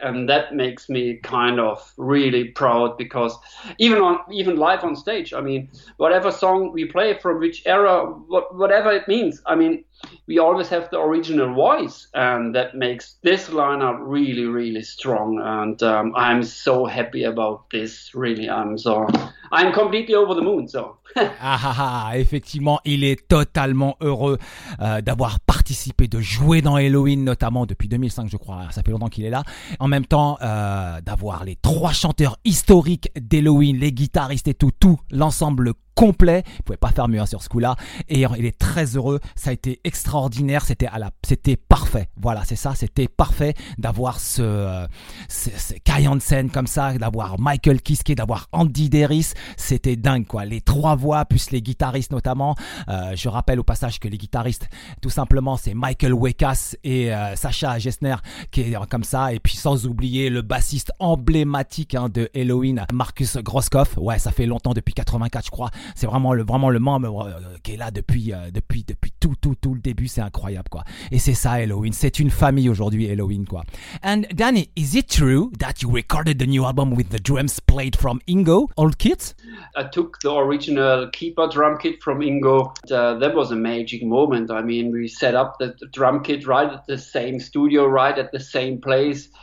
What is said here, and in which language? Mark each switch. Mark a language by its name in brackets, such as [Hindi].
[English] And that makes me kind of really proud, because even live on stage, I mean, whatever song we play, from which era, whatever it means, I mean, we always have the original voice. And that makes this lineup really, really strong. And I'm so happy about this, really. I'm so... I'm completely over the moon, so. [French] Ah, effectivement, il est totalement heureux d'avoir participé, de jouer dans Helloween, notamment depuis 2005, je crois. Ça fait longtemps qu'il est là. En même temps, d'avoir les trois chanteurs historiques d'Helloween, les guitaristes et tout l'ensemble complet. Il pouvait pas faire mieux hein, sur ce coup-là. Et il est très heureux. Ça a été extraordinaire. C'était parfait. Voilà, c'est ça. C'était parfait d'avoir ce Kai Hansen comme ça, d'avoir Michael Kiske, d'avoir Andy Deris. C'était dingue, quoi. Les trois voix, plus les guitaristes notamment. Je rappelle au passage que les guitaristes, tout simplement, c'est Michael Wekas et Sacha Gessner qui est comme ça. Et puis, sans oublier le bassiste emblématique hein, de Helloween, Marcus Groskopf. Ouais, ça fait longtemps, depuis 84, je crois. C'est vraiment le membre qui est là depuis tout le début. C'est incroyable, quoi. Et c'est ça, Helloween. C'est une famille aujourd'hui, Helloween, quoi. [English] And Danny, is it true that you recorded the new album with the drums played from Ingo, old kit? I took the original keyboard drum kit from Ingo. That was a magic moment. I mean, we set up the drum kit right at the same studio, right at the same place.